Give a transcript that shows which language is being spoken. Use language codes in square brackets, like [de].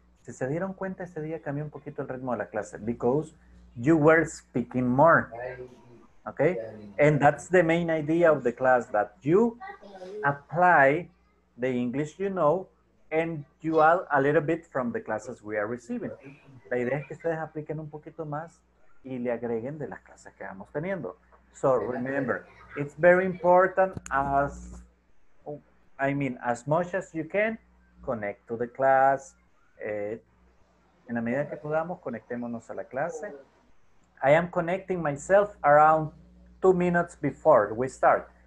[es] Si se dieron cuenta, ese día cambió un poquito el ritmo de la clase [en] because you were speaking more. Okay? And that's the main idea of the class, that you apply the English you know and you add a little bit from the classes we are receiving. [es] La idea es que ustedes apliquen un poquito más y le agreguen de las clases que vamos teniendo. [en] So remember, it's very important as much as you can, connect to the class. [es] En la medida que podamos, conectémonos a la clase. [en] I am connecting myself around 2 minutes before we start.